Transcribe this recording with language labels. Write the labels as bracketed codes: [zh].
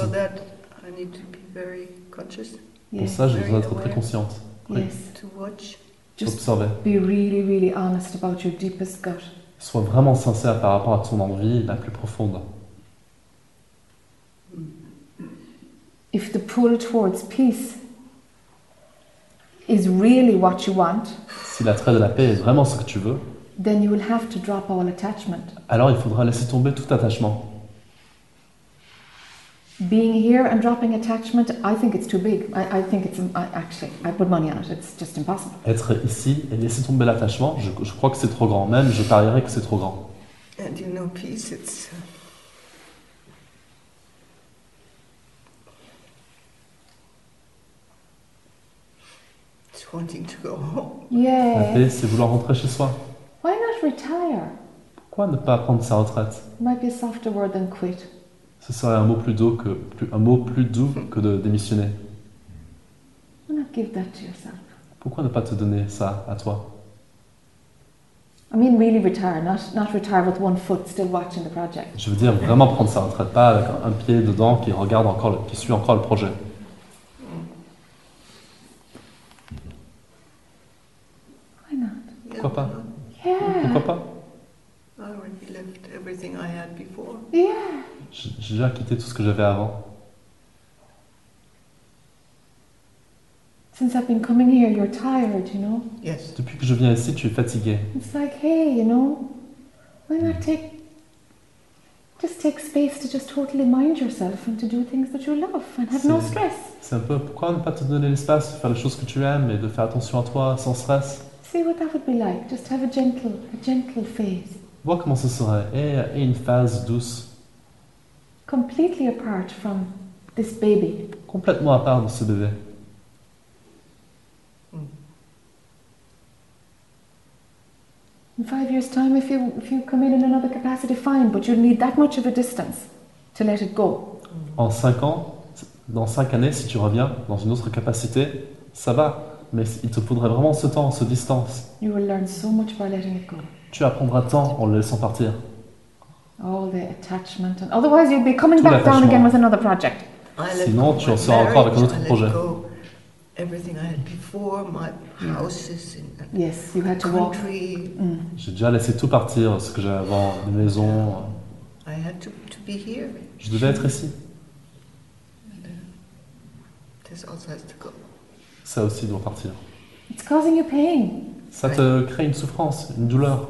[en] For that, I need to be very conscious. [fr] Pour ça, je dois être très consciente. [en] Yes. To watch. Just observer. Be really, really honest about your deepest gut. [fr] Sois vraiment sincère par rapport à ton envie la plus profonde. [en] If the pull towards peace is really what you want, [fr] si l'attrait de la paix est vraiment ce que tu veux, [en] then you will have to drop all attachment. [fr] Alors il faudra laisser tomber tout attachement. [en] Being here and dropping attachment, I think it's too big. I put money on it. It's just impossible. [fr] Être ici et laisser tomber l'attachement, je crois que c'est trop grand. Même je parierais que c'est trop grand. [en] And you know, peace, it's wanting to go home. Yeah. [fr] La paix, c'est vouloir rentrer chez soi. [en] Why not retire? [fr] Pourquoi ne pas prendre sa retraite? [en] It might be a softer word than quit. [fr] Ce serait un mot plus doux que de démissionner. [en] Why not give that to yourself? [fr] Pourquoi ne pas te donner ça à toi? [en] I mean really retire, not retire with one foot still watching the project. [fr] Je veux dire vraiment prendre sa retraite, pas avec un pied dedans qui regarde encore, qui suit encore le projet. Pourquoi pas? [en] I already left everything I had before. Yeah. [fr] J'ai déjà quitté tout ce que j'avais avant. [en] Since I've been coming here, you're tired, you know. Yes. [fr] Depuis que je viens ici, tu es fatigué. [en] It's like, hey, you know, why not take space to just totally mind yourself and to do things that you love and have no stress. [fr] C'est un peu pourquoi ne pas te donner l'espace de faire les choses que tu aimes et de faire attention à toi sans stress. [en] See what that would be like. Just have a gentle phase. [fr] Vois comment ce serait. Et une phase douce. [en] Completely apart from this baby. [fr] Complètement à part de ce bébé. [en] In 5 years' time, if you come in another capacity, fine. But you'll need that much of a distance to let it go. [fr] En 5 ans, dans 5 années, si tu reviens dans une autre capacité, ça va. Mais il te faudrait vraiment ce temps, cette distance. [en] You will learn so much by letting it go. [fr] Tu apprendras tant en le laissant partir. [en] All the attachment. Otherwise, you'll be coming back down again with another project. [fr] Sinon, tu en seras encore avec un autre projet. [en] Everything I had before, my houses in the yes, you had to walk. [fr] J'ai déjà laissé tout partir, ce que j'avais avant, une maison. [en] I had to be here. [fr] Je devais être ici. [en] This also has to go. [fr] Ça aussi doit partir. [en] It's causing you pain. [fr] Ça te crée une souffrance, une douleur.